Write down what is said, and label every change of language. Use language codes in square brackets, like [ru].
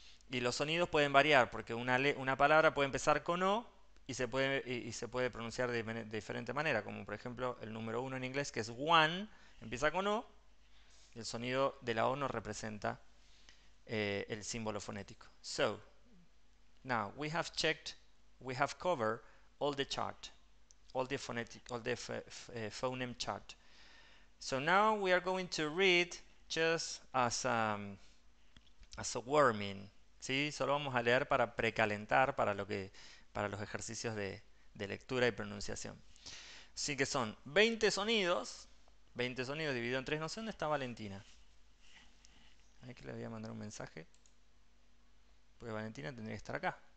[es] Y los sonidos pueden variar, porque una palabra puede empezar con O y se puede pronunciar de diferente manera, como por ejemplo el número 1 en inglés, que es one, empieza con O, y el sonido de la O no representa el símbolo fonético. [en] So, now we have checked, we have covered all the chart, all the phonetic, all the phoneme chart. So now we are going to read just as a warming, [es] ¿sí? Solo vamos a leer para precalentar para los ejercicios de lectura y pronunciación. Así que son 20 sonidos dividido en 3. No sé dónde está Valentina. Ahí que le voy a mandar un mensaje. Porque Valentina tendría que estar acá.